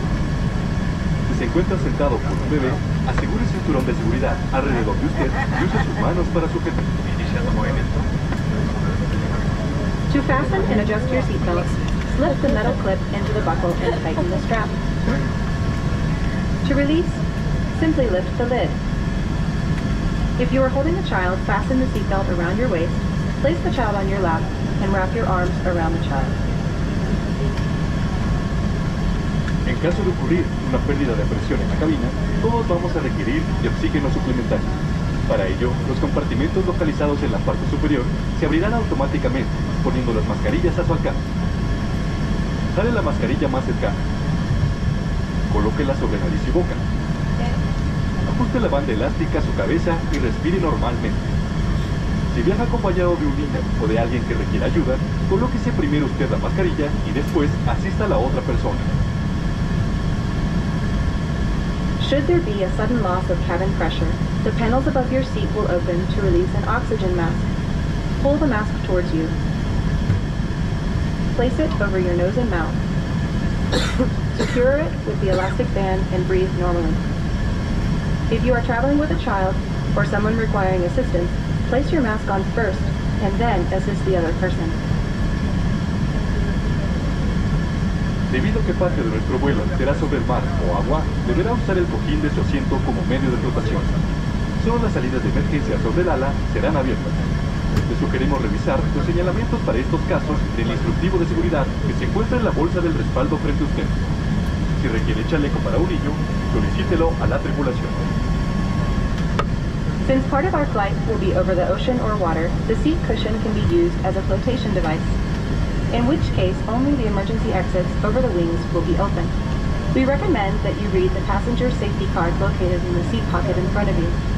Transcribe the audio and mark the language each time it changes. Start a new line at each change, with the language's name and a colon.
Spanish: Si se encuentra sentado con un bebé, asegure el cinturón de seguridad alrededor de usted y use sus manos para sujetar. Iniciando movimiento.
English: To fasten and adjust your seat belts, slip the metal clip into the buckle and tighten the strap. To release, simply lift the lid. If you are holding a child, fasten the seatbelt around your waist, place the child on your lap, and wrap your arms around the child.
Spanish: En caso de ocurrir una pérdida de presión en la cabina, todos vamos a requerir de oxígeno suplementario. Para ello, los compartimentos localizados en la parte superior se abrirán automáticamente, poniendo las mascarillas a su alcance. Jale la mascarilla más cercana. Colóquela sobre nariz y boca. Ajuste la banda elástica a su cabeza y respire normalmente. Si viaja acompañado de un niño o de alguien que requiera ayuda, colóquese primero usted la mascarilla y después asista a la otra persona.
English: Should there be a sudden loss of cabin pressure, the panels above your seat will open to release an oxygen mask. Pull the mask towards you. Place it over your nose and mouth. Secure it with the elastic band and breathe normally. If you are traveling with a child or someone requiring assistance, place your mask on first and then assist the other person.
Spanish: Debido a que parte de nuestro vuelo será sobre el mar o agua, deberá usar el cojín de su asiento como medio de flotación. Solo las salidas de emergencia sobre el ala serán abiertas. te sugerimos revisar los señalamientos para estos casos del instructivo de seguridad que se encuentra en la bolsa del respaldo frente a usted. Si requiere chaleco para orillo, solicítelo a la tripulación.
English: Since part of our flight will be over the ocean or water, the seat cushion can be used as a flotation device, in which case only the emergency exits over the wings will be open. We recommend that you read the passenger safety card located in the seat pocket in front of you.